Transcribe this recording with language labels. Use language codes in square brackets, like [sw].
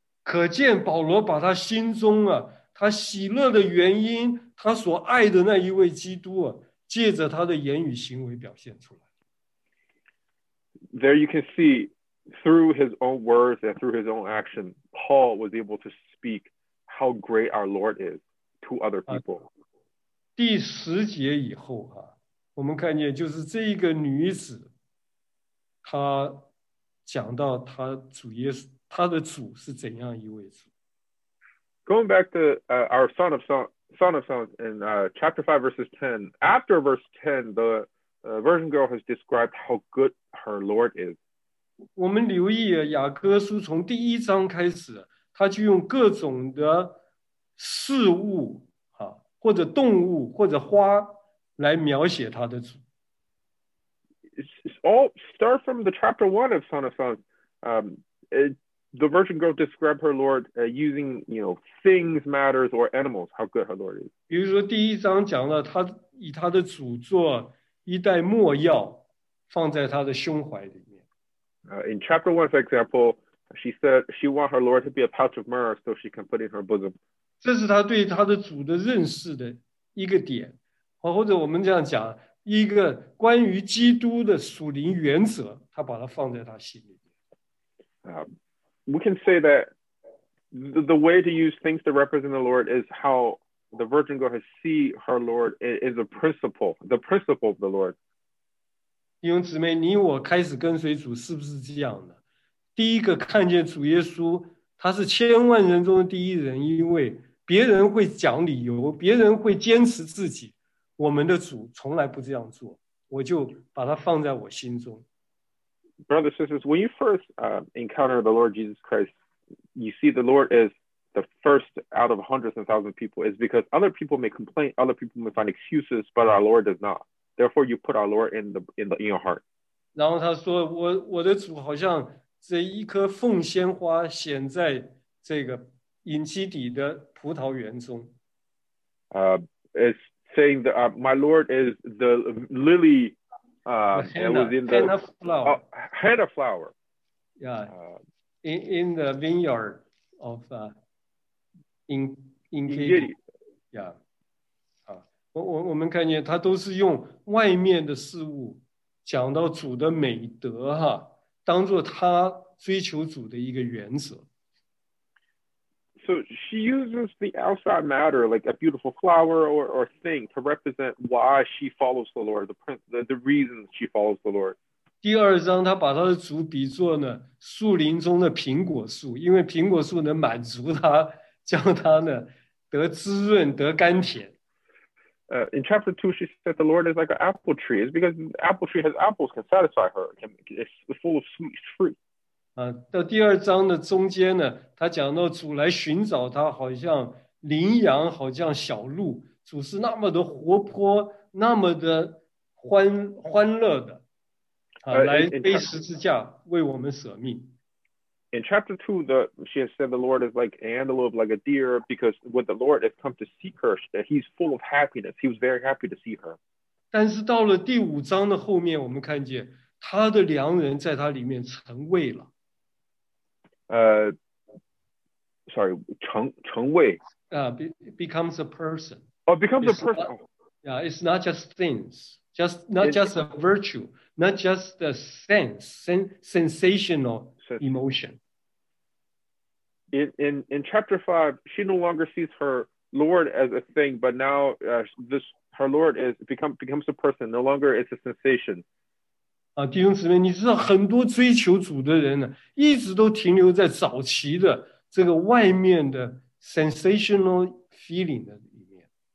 [zh] 可见保罗把他心中啊，他喜乐的原因，他所爱的那一位基督啊，借着他的言语行为表现出来。 [en] There you can see, through his own words and through his own action, Paul was able to speak how great our Lord is.To other people. [zh] 第十节以后，我们看见就是这一个女子，她讲到她主耶稣，她的主是怎样一位主。 [en] Going back to our Song of Songs in chapter 5, verses 10, after verse 10, the virgin girl has described how good her Lord is. [zh] 我们留意雅各书从第一章开始，他就用各种的事物或者动物或者花来描写他的主。 [en] It's all start from the chapter 1 of Song of Songs. The virgin girl described her Lord using, you know, things, matters, or animals, how good her Lord is. [zh] 比如说第一章讲了他以他的主做一袋墨药放在他的胸怀里面。 [en] In chapter 1, for example, she said she wants her Lord to be a pouch of myrrh so she can put in her bosom. [zh] 这是他对他的主的认识的一个点。或者我们这样讲，一个关于基督的属灵原则，他把它放在他心里面。 [en] We can say that the way to use things to represent the Lord is how the virgin girl has seen her Lord is a principle, the principle of the Lord. [zh] 弟兄姊妹，你我开始跟随主是不是这样的？第一个看见主耶稣，他是千万人中的第一人，因为别人会讲理由，别人会坚持自己。我们的主从来不这样做，我就把它放在我心中。 [en] Brothers and sisters, when you first encounter the Lord Jesus Christ, you see the Lord is the first out of hundreds and thousands of people. It's because other people may complain, other people may find excuses, but our Lord does not. Therefore, you put our Lord in your heart. [zh] 然后他说，我的主好像这一颗凤仙花显在这个隐基底的葡萄园中。 [en] It's saying that my Lord is the lily. Hannah flower. Yeah, in the vineyard of in Katie. Yeah. [zh] 我们看见他都是用外面的事物讲到主的美德哈，当做他追求主的一个原则。 [en] So she uses the outside matter, like a beautiful flower or thing, to represent why she follows the Lord, the reason she follows the Lord. [zh] 第二章，她把她的主比作呢树林中的苹果树，因为苹果树能满足她，叫她呢得滋润，得甘甜。 [en] In chapter 2, she said the Lord is like an apple tree. It's because the apple tree has apples can satisfy her. It's full of sweet fruit. [zh] 到第二章的中间呢，他讲到主来寻找他，好像羚羊，好像小鹿，主是那么的活泼，那么的欢乐的，来背十字架为我们舍命。 [en] In chapter 2, she has said the Lord is like an antelope, like a deer, because when the Lord has come to seek her, he's full of happiness. He was very happy to see her. [zh] 但是到了第五章的后面，我们看见他的良人在他里面成位了。成为 [en] becomes a person. Oh, becomes a person. Yeah, it's not just things, just a virtue, not just the sensational emotion. In chapter 5, she no longer sees her Lord as a thing, but now this her Lord is becomes a person. No longer it's a sensation. [zh] 弟兄姊妹，你知道很多追求主的人呢，一直都停留在早期的这个外面的 [en] sensational feeling [zh] 的里面。